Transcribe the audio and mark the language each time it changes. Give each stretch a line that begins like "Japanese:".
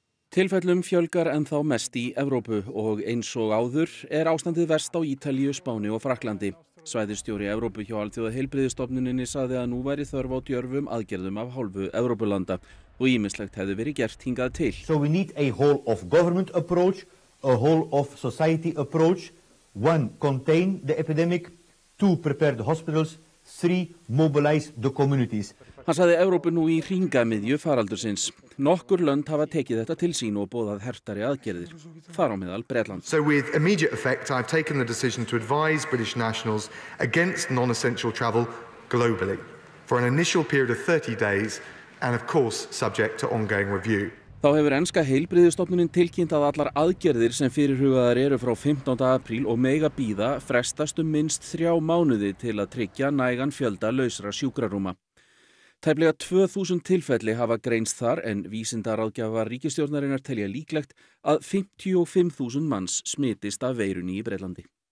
Icelandic: Tilfellum fjölgar ennþá mest í Evrópu og eins og áður er ástandið verst á Ítalíu, Spáni og Frakklandi. Svæðisstjóri Evrópu hjá Alþjóðaheilbrigðisstofnuninni sagði að nú væri þörf á djörfum aðgerðum af hálfu Evrópulanda og ýmislegt hefði verið gert hingað til.
English: So we need a whole of government approach, a whole of society approach. One, contain the epidemic. Two, prepare the hospitals. Three, mobilize the communities.
Icelandic: Hann sagði Evrópu nú í hringamiðju faraldursins. Nokkur lönd hafa tekið þetta til sín og boðað hertari aðgerðir. Þar á meðal Bretland.
English: So with immediate effect, I've taken the decision to advise British nationals against non-essential travel globally for an initial period of 30 days and of course subject to ongoing review.
Icelandic: Þá hefur enska heilbrigðisstofnunin tilkynnt að allar aðgerðir sem fyrirhugaðar eru frá 15. apríl og mega bíða frestast minnst 3 mánuði til að tryggja nægan fjölda lausra sjúkrarúma. Tæplega 2000 tilfelli hafa greinst þar en vísindaráðgjafar ríkisstjórnarinnar telja líklegt að 55.000 manns smitist af veirunni í Bretlandi.